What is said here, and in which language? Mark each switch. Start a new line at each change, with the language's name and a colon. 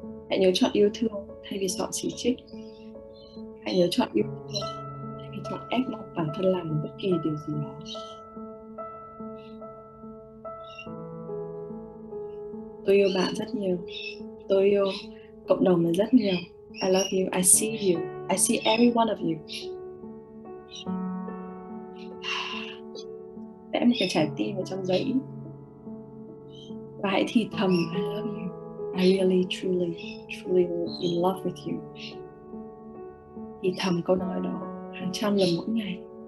Vietnamese: Hãy nhớ chọn yêu thương thay vì chọn chỉ trích. Hãy nhớ chọn yêu thương thay vì chọn ép buộc bản thân làm bất kỳ điều gì đó. Tôi yêu bạn rất nhiều. Tôi yêu cộng đồng mình rất nhiều.
English: I love you, I see you, I see every one of you.
Vietnamese: Vẽ một cái trái tim ở trong giấy và hãy thì thầm
English: I love you, I really truly truly in love with you.
Vietnamese: Thì thầm câu nói đó hàng trăm lần mỗi ngày.